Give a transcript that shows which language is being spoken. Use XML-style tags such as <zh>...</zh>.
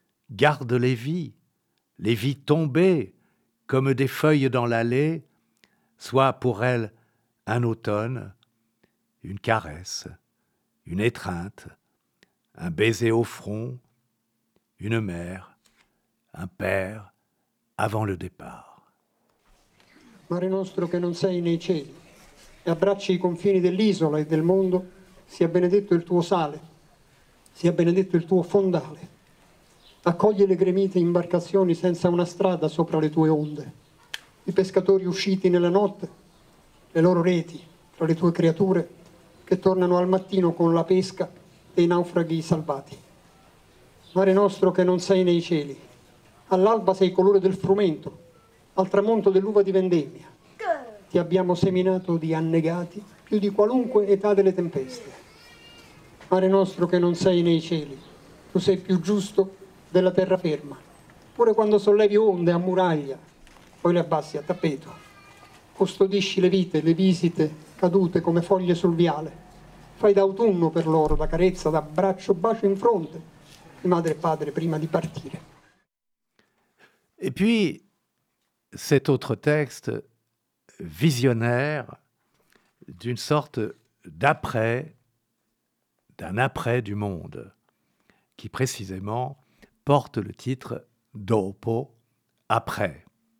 <fr>Garde les vies tombées, comme des feuilles dans l'allée, soit pour elle un automne, une caresse, une étreinte, un baiser au front, une mère, un père, avant le départ.</fr> <it>Mare nostro che non sei nei cieli, e abbracci i confini dell'isola e del mondo, sia benedetto il tuo sale, sia benedetto il tuo fondale. Accogli le gremite imbarcazioni senza una strada sopra le tue onde. I pescatori usciti nella notte, le loro reti tra le tue creature che tornano al mattino con la pesca dei naufraghi salvati. Mare nostro che non sei nei cieli, all'alba sei colore del frumento, al tramonto dell'uva di vendemmia. Ti abbiamo seminato di annegati più di qualunque età delle tempeste. Mare nostro che non sei nei cieli, tu sei più giusto della terraferma, pure quando sollevi onde a muraglia, poi le abbassi a tappeto. Custodisci le vite, le visite cadute come foglie sul viale. Fai d'autunno per loro la carezza, d'abbraccio, bacio in fronte, madre e padre prima di partire.</it> <fr>E puis, cet autre texte visionnaire d'une sorte d'après, d'un après du monde, qui précisément porte le titre « Dopo, après ».</fr>